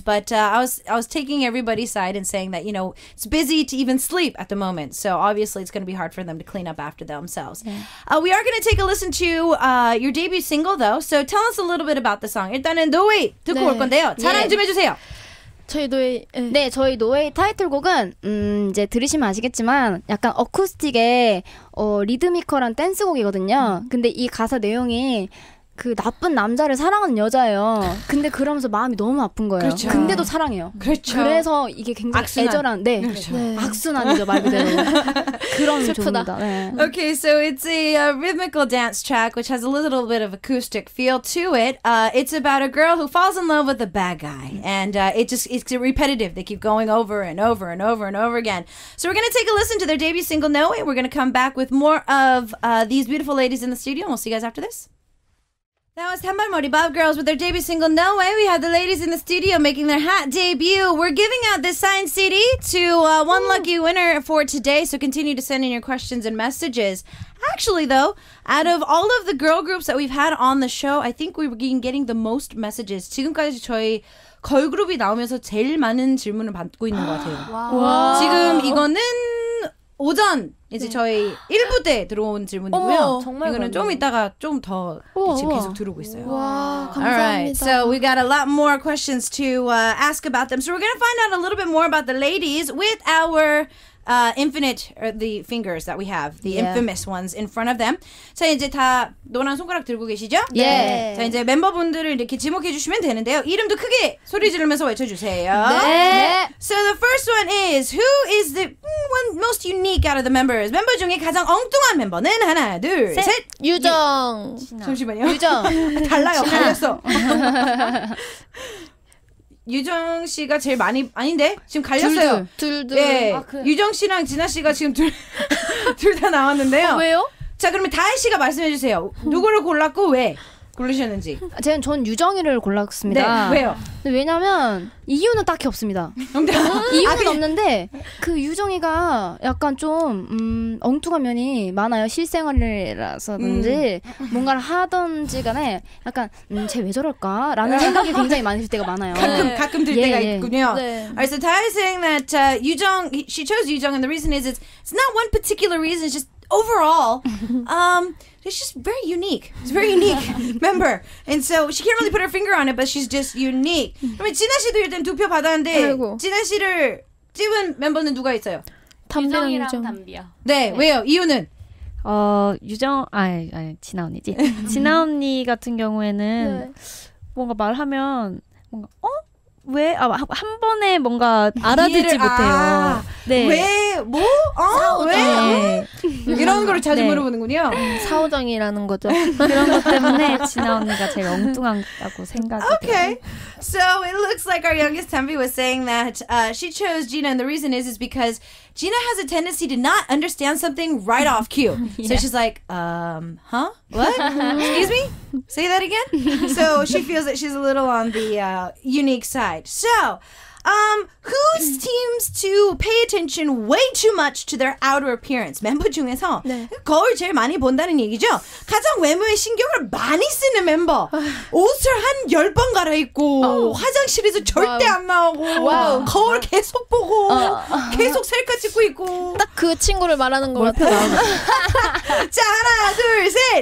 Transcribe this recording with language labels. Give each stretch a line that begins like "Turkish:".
English: But I was taking everybody's side and saying that you know it's busy to even sleep at the moment, so obviously it's going to be hard for them to clean up after themselves. Yeah. We are going to take a listen to your debut single, though. So tell us a little bit about the song.
Korean: 일단은 노웨이 듣고 올 건데요. 자랑 좀 해주세요. 저희 노웨이 네 저희 노웨이 타이틀곡은 이제 들으시면 아시겠지만 약간 어쿠스틱의 리드미컬한 댄스곡이거든요. 근데 이 가사 내용이 그 나쁜 남자를 사랑하는 여자예요. 근데 그러면서 마음이 너무 아픈 거예요. 그렇죠. 근데도 사랑해요. 그렇죠. 그래서 이게 굉장히 악순환. 애절한 네, 그렇죠. 네. 악순환이죠 말 그대로 그런 슬프다. 좋습니다. 네.
English: Okay, so it's a rhythmical dance track which has a little bit of acoustic feel to it. It's about a girl who falls in love with a bad guy, and it's repetitive. They keep going over and over and over and over again. So we're gonna take a listen to their debut single No Way. We're gonna come back with more of these beautiful ladies in the studio, and we'll see you guys after this. That was 단발머리 Bob Girls with their debut single No Way. We have the ladies in the studio making their hat debut. We're giving out this signed CD to one lucky winner for today, so continue to send in your questions and messages. Actually, though, out of all of the girl groups that we've had on the show, I think we've been getting the most messages.
Korean: 지금까지 저희 걸그룹이 나오면서 제일 많은 질문을 받고 있는 것 같아요. 와. 지금 이거는 오전 이제 네. 저희 1부 때 들어온 질문이고요. 어머, 정말 이거는 좀 이따가 좀 더 계속 들어오고 있어요. 와, 감사합니다.
English: Alright, so we got a lot more questions to ask about them. So we're going to find out a little bit more about the ladies with our infinite, or the fingers that we have, the infamous ones in front of them.
Korean: 자, 이제 다 노란 손가락 들고 계시죠? 예. 네. 자, 이제 멤버분들을 이렇게 지목해 주시면 되는데요. 이름도 크게 소리 지르면서 외쳐주세요. 네. 네.
English: So the first one is, who is the one most unique out of the members?
Korean: 멤버 중에 가장 엉뚱한 멤버는 하나, 둘, 셋. 유정. 예. 잠시만요. 유정. 달라요, 갈렸어. 유정 씨가 제일 많이 아닌데 지금 갈렸어요. 둘둘. 예. 아, 그래. 유정 씨랑 진아 씨가 지금 둘 둘 다 나왔는데요. 왜요? 자 그러면 다혜 씨가 말씀해 주세요. 누구를 골랐고 왜? 고르셨는지? 저는 전 유정이를 골랐습니다. 네, 왜요? 왜냐면 이유는 딱히 없습니다. 이유는 없는데 그 유정이가 약간 좀 엉뚱한 면이 많아요. 실생활이라서든지 뭔가를 하던지 간에 약간 쟤 왜 저럴까? 라는 생각이 굉장히 많으실 때가 많아요. 가끔 들 때가 있군요. 네.
English: Alright, so Tai is saying that Yujeong, she chose Yujeong and the reason is it's not one particular reason, it's just overall, it's just very unique. It's a very unique member. And so she can't really put her finger on it, but she's just unique. I mean,
Korean: 진아 씨도 일단 투표 받았는데, 아이고. 진아 씨를 찍은 멤버는 누가 있어요? 유정이랑 유정. 담비요. 네, 네, 왜요? 이유는? 유정, 아니, 진아 언니지. 진아 언니 같은 경우에는 네. 뭔가 말하면, 뭔가, 어? 왜? 아, 한 번에 뭔가 알아듣지 못해요. 네. 왜? 뭐? 어? 왜? 네. 이런 걸 자주 네. 물어보는군요. 사오정이라는 거죠. 그런 것 때문에 진아 언니가 제일 엉뚱하다고 생각해요.
English: Okay. So it looks like our youngest Tambi was saying that she chose Gina and the reason is because Gina has a tendency to not understand something right off cue. Yeah. So she's like, huh? What? Excuse me? Say that again? So she feels that she's a little on the unique side. So, who seems to pay attention way too much to their outer appearance?
Korean: 멤버 중에서 네. 거울 제일 많이 본다는 얘기죠? 가장 외모에 신경을 많이 쓰는 멤버. 옷을 한 열 번 갈아입고 oh. 화장실에서 절대 wow. 안 나오고 wow. 거울 계속 보고 계속 셀카 찍고 있고 딱 그 친구를 말하는 것 같아요. 자, 하나, 둘, 셋!